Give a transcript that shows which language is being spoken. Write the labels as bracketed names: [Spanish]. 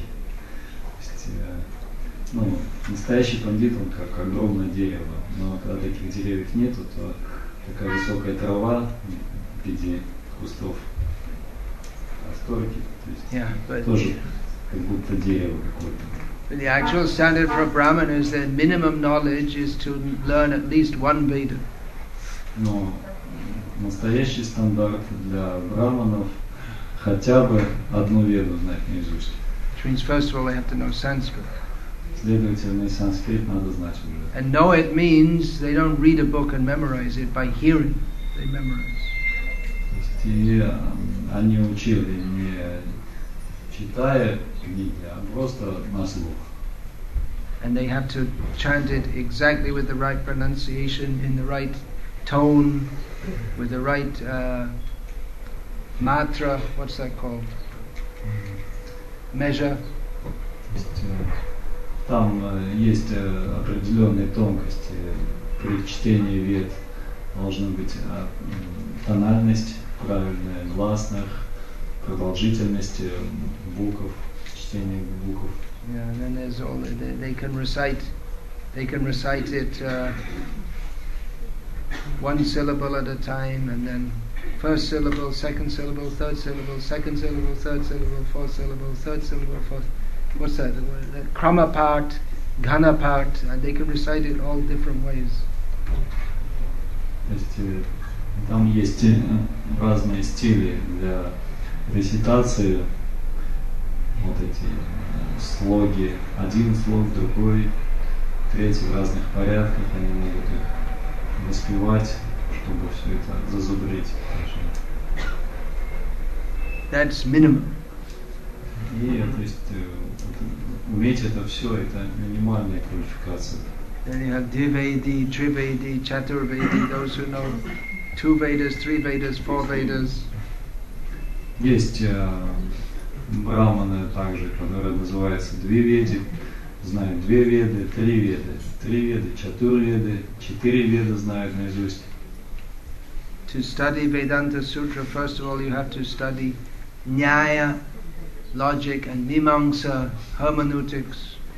[Russian] То есть, ну, настоящий пандит, он как огромное дерево. Но когда таких деревьев нету, то такая высокая трава в виде кустов касторки. То есть тоже как будто дерево какое-то. [English] The actual standard for a Brahman is that minimum knowledge is to learn at least one Veda. [Russian] Но настоящий стандарт для брахманов хотя бы одну веду знать наизусть. [English] Which means first of all they have to know Sanskrit. [Russian] Следовательно, санскрит надо знать уже. [English] And know it means they don't read a book and memorize it by hearing, they memorize. [Russian] Они учили не читая книги, а просто на слух. [English] And they have to chant it exactly with the right pronunciation, in the right tone, with the right matra, what's that called? Measure. [Russian] Там есть определенные тонкости при чтении вед. Должна быть тональность правильная, гласных, продолжительность букв, чтение букв. [English] Yeah, and then there's all they can recite it one syllable at a time, and then first syllable, second syllable, third syllable, second syllable, third syllable, fourth syllable, third syllable, fourth. What's that? The krama part, ghana part, and they can recite it all different ways. [Russian] Там есть разные стили для рецитации. Вот эти слоги. Один слог, другой, третий, в разных порядках. Они могут их воспевать, чтобы все это зазубрить. [English] That's minimum. [Russian] И, то есть, уметь это все, это минимальная квалификация. [English] Then you have Dvaidi, Trivaidi, Chaturvaidi, those who know two Vedas, three Vedas, four Vedas. [Russian] Есть Брахманы также, которые называются Двиведи, знают две Веды, три Веды, Чатурведы, четыре Веды знают наизусть. [English] To study Vedanta Sutra, first of all, you have to study Nyaya, logic and Mimamsa, hermeneutics.